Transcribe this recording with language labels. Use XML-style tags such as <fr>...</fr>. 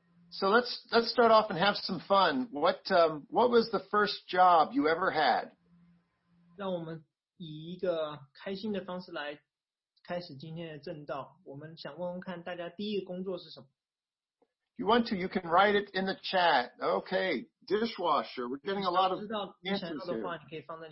<en>So let's start off and have some fun. What was the first job you ever had?</en> <zh>让我们以一个开心的方式来开始今天的正道。我们想问问看大家第一个工作是什么。</zh> <en>You want to, you can write it in the chat. Okay, dishwasher. We're getting a lot of answers here.</en>